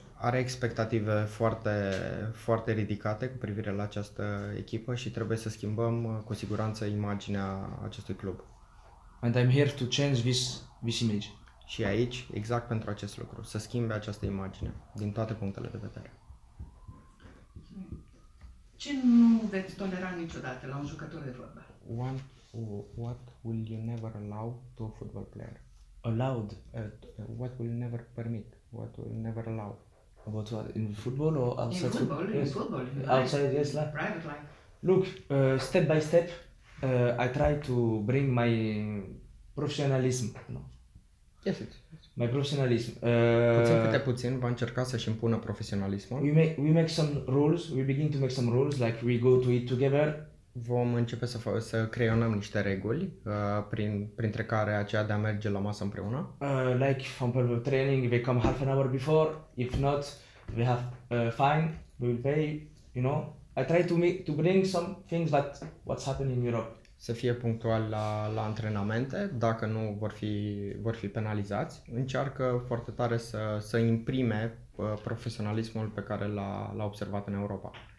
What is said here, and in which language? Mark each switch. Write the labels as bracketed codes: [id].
[ro] Are expectative foarte, foarte ridicate cu privire la această echipă și trebuie să schimbăm cu siguranță imaginea acestui club. [en] And I'm here to change this image. Și aici, exact pentru acest lucru, să schimbe această imagine, din toate punctele de vedere. Ce nu veți tolera niciodată la un jucător de fotbal? What will you never allow to a football player? Allowed? What will you never permit? What will you never allow? About what? In football or outside? In football, yes. In football. Outside, yes. Private life. Look, step by step, I try to bring my professionalism. No. Yes, my professionalism. [ro] Puțin câte puțin va încerca să-și impună profesionalismul. [en] We make some rules, we begin to make some rules, like we go to eat together. [ro] Vom începe să creionăm niște reguli, printre care aceea de a merge la masă împreună. [en] Like from the training, they come half an hour before, if not, we have fine, we will pay, you know. I try to bring some things that what's happening in Europe. [ro] Să fie punctual la antrenamente, dacă nu vor fi penalizați. Încearcă foarte tare să imprime profesionalismul pe care l-a observat în Europa.